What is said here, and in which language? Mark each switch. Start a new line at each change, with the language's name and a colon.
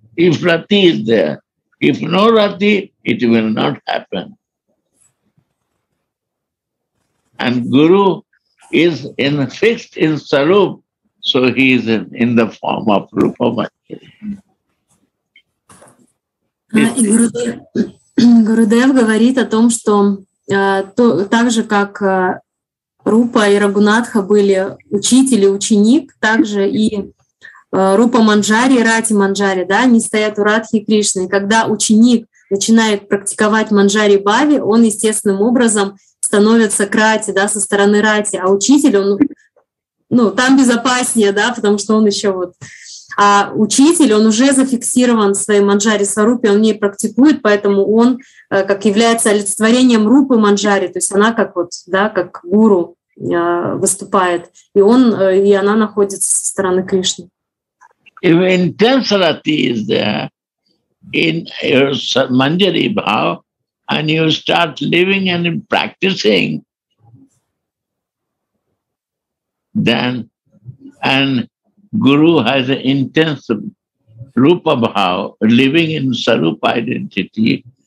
English: If Rati is there, if no Rati, it will not happen. And Guru is in fixed in Sarup, so he is in the form of Rupa Manjari.
Russian: Гурудев говорит о том, что так же, как Рупа и Рагунатха были учитель и ученик, так же и Рупа Манджари и Рати Манджари, да, они стоят у Радхи Кришны. И когда ученик начинает практиковать Манджари Бхави, он естественным образом становится к Рати, да, со стороны Рати, а учитель, он, ну, там безопаснее, да, потому что он еще вот... А учитель, он уже зафиксирован в своей Манджари Сварупе, он не практикует, поэтому он как является олицетворением Рупы Манджари, то есть она как вот, да, как гуру выступает, и он, и она находится со стороны Кришны.
English: If intense rati is there in your Manjari Bhav, and you start living and practicing, then, and Guru has an intense Rupa Bhav, living in Sarupa identity.